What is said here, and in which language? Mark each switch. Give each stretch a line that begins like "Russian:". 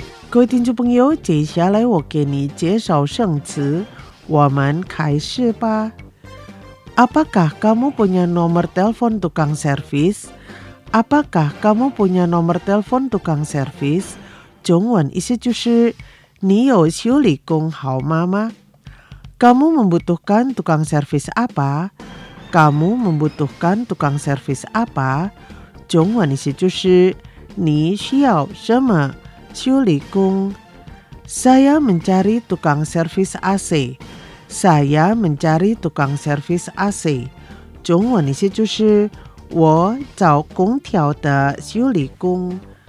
Chinese: 各位听众朋友，接下来我给你介绍生词，我们开始吧。
Indonesian: Apakah kamu punya nomor telepon tukang servis? Apakah kamu punya nomor telepon tukang servis?
Chinese: 中文意思就是你有修理工号码吗？
Indonesian: Kamu membutuhkan tukang servis apa? Kamu membutuhkan tukang servis apa?
Chinese: 中文意思就是你需要什么修理工。
Indonesian: Saya mencari tukang servis AC. Saya mencari tukang servis AC.
Chinese: 中文意思就是我找空调的修理工。